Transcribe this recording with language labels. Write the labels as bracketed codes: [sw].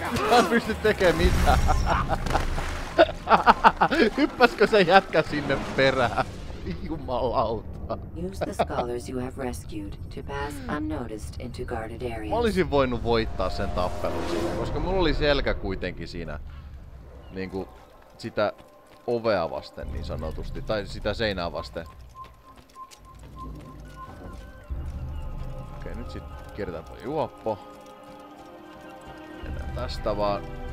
[fi] Mä en pysty tekee mitään. Hyppäskö se jätkä sinne perään? Jumalauta. [en] Use the scholars you have rescued to pass unnoticed into guarded areas. [fi] Mä olisin voinut voittaa sen tappelun siinä, koska mulla oli selkä kuitenkin siinä niinku sitä ovea vasten niin sanotusti, tai sitä seinää vasten. Okei, nyt sit kiertää toi juoppo. Mennään tästä vaan.